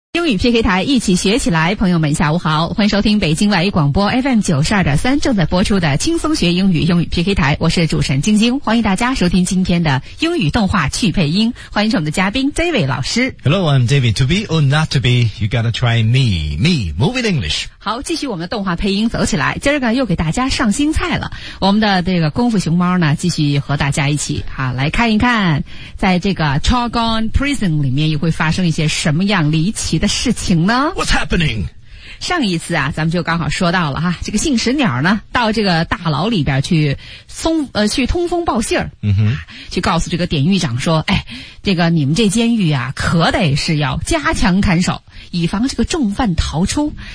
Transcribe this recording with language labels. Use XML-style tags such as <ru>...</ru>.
<zh>英语 PK 台一起学起来，朋友们下午好，欢迎收听北京外语广播 FM92.3 正在播出的轻松学英语英语 PK 台，我是主持人晶晶，欢迎大家收听今天的英语动画去配音，欢迎我们的嘉宾 David 老师。</zh> <en>Hello, I'm David. To be or not to be, you gotta try me. Me, moving English.</en> <zh>好，继续我们的动画配音走起来，今儿个又给大家上新菜了，我们的这个功夫熊猫呢继续和大家一起好来看一看，在这个 Chogon Prison 里面又会发生一些什么样离奇的事情呢？</zh> <en>What's happening?</en> <zh>上一次啊咱们就刚好说到了哈，这个信使鸟呢到这个大牢里边去去通风报信儿、去告诉这个典狱长说，哎，这个你们这监狱啊可得是要加强看守，以防这个重犯逃出。</zh>